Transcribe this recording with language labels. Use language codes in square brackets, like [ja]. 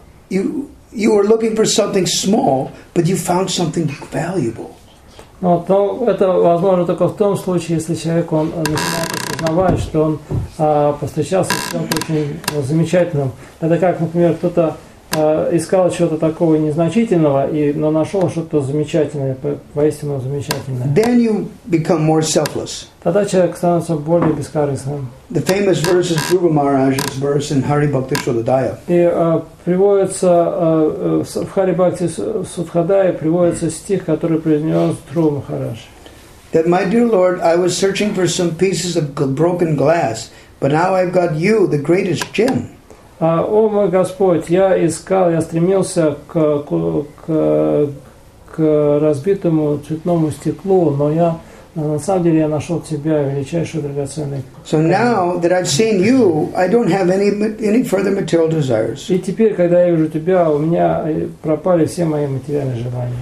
[en] You were looking for something small, but you found something valuable. [ru] Но то это возможно только в том случае, если человек он начинает осознавать, что он постречался с чем-то очень замечательным. Это как, например, кто-то искал чего-то такого незначительного, но нашел что-то замечательное, поистине замечательное. [en] Then you become more selfless. [ru] Тогда человек становится более бескорыстным. [en] The famous verse is Dhruva Maharaj's verse in Hari Bhakti Sudhodaya. [ru] И приводится в Hari Bhakti Sudhodaya приводится стих, который произнес Dhruva Maharaj. [en] That my dear Lord, I was searching for some pieces of broken glass, but now I've got you, the greatest gem. [ru] О мой Господь, я искал, я стремился к разбитому цветному стеклу, но я на самом деле я нашел тебя, величайший драгоценный. [en] So now that I've seen you, I don't have any further material desires. [ru] И теперь, когда я вижу тебя, у меня пропали все мои материальные желания.